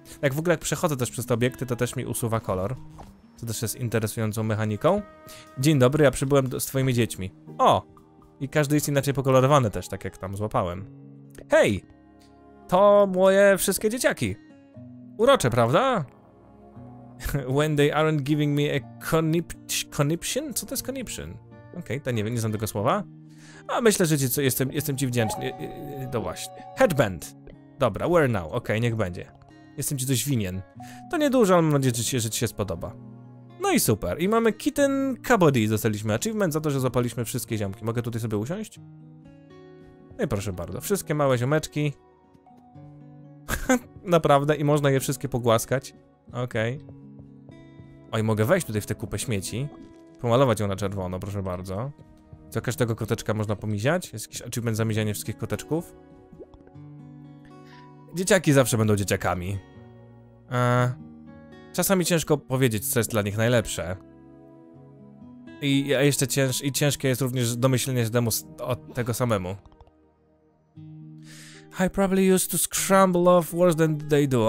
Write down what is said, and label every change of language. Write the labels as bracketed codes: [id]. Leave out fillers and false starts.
[pl] Jak w ogóle, jak przechodzę też przez te obiekty, to też mi usuwa kolor. To też jest interesującą mechaniką. Dzień dobry, ja przybyłem z twoimi dziećmi. O! I każdy jest inaczej pokolorowany też, tak jak tam złapałem. Hej! To moje wszystkie dzieciaki. Urocze, prawda? [en] When they aren't giving me a conniption? [pl] Co to jest conniption? Okej, to nie wiem, nie znam tego słowa. A myślę, że ci, co, jestem ci wdzięczny. To właśnie. Headband. Dobra, [en] where now? [pl] Okej, niech będzie. Jestem ci coś winien. To niedużo, ale mam nadzieję, że ci się spodoba. No i super. I mamy Kitten Cabody. Dostaliśmy achievement za to, że złapaliśmy wszystkie ziomki. Mogę tutaj sobie usiąść? No i proszę bardzo. Wszystkie małe ziomeczki. Naprawdę, i można je wszystkie pogłaskać. Okej. Oj, mogę wejść tutaj w tę kupę śmieci. Pomalować ją na czerwono, proszę bardzo. Co, każdego koteczka można pomiziać? Jest jakiś achievement za mizianie wszystkich koteczków? Dzieciaki zawsze będą dzieciakami. Czasami ciężko powiedzieć, co jest dla nich najlepsze. I jeszcze ciężkie jest również domyślenie się temu od tego samemu. [en] I probably used to scramble off worse than they do.